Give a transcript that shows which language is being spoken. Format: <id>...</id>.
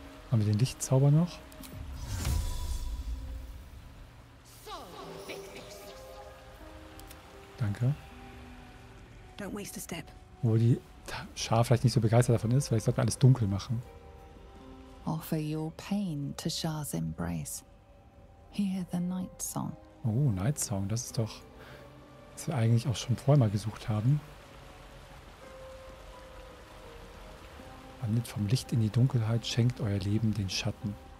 <de>Haben wir den Lichtzauber noch? Danke.</de> <en>Don't waste a step.</en> <de>Obwohl die Schar vielleicht nicht so begeistert davon ist, vielleicht sollten wir alles dunkel machen.</de> <en>Offer your pain to Shah's embrace. Hear the night song.</en> <de>Oh, Night Song, das ist doch, was wir eigentlich auch schon vorher mal gesucht haben. Wandelt vom Licht in die Dunkelheit, schenkt euer Leben den Schatten.</de>